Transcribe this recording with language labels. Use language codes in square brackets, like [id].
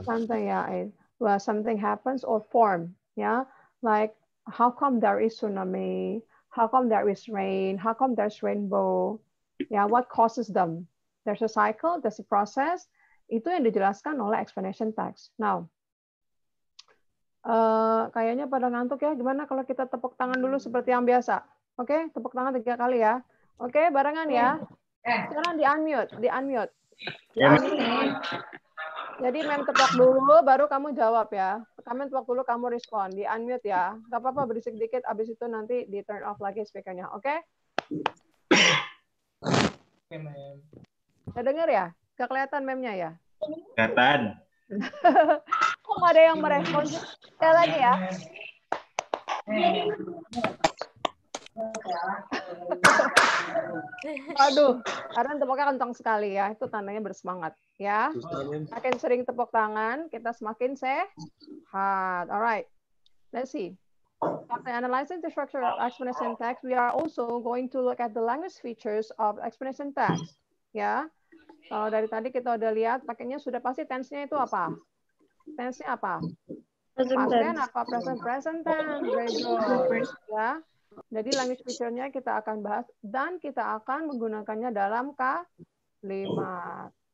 [en] something something happens or form yeah, like how come there is tsunami, how come there is rain, how come there's rainbow, yeah, what causes them, there's a cycle, there's a process, [id] itu yang dijelaskan oleh explanation tags. Now kayaknya pada ngantuk ya. Gimana kalau kita tepuk tangan dulu seperti yang biasa? Oke, okay, tepuk tangan 3 kali ya. Oke, okay, barengan ya. Sekarang di-unmute. Jadi mem tepuk dulu, baru kamu jawab ya. Kamu tepuk dulu, kamu respon. Di-unmute ya. Gak apa-apa, berisik dikit. Abis itu nanti di-turn off lagi speakernya. Oke? Okay? Okay, saya dengar ya? Gak kelihatan memnya ya? Kelihatan. Kok ada yang merespon? Saya lagi ya. Aduh, karena tepuknya kentang sekali ya. Itu tandanya bersemangat ya. Makin sering tepuk tangan, kita semakin sehat. [en] Alright, let's see. After analyzing the structure of explanation text, we are also going to look at the language features of explanation text. [id] Ya. Kalau dari tadi kita udah lihat, pakainya sudah pasti tense-nya itu apa? Tense-nya apa? [en] Present apa? Present tense. Present. Ya. [id] Jadi language feature-nya kita akan bahas dan kita akan menggunakannya dalam kalimat.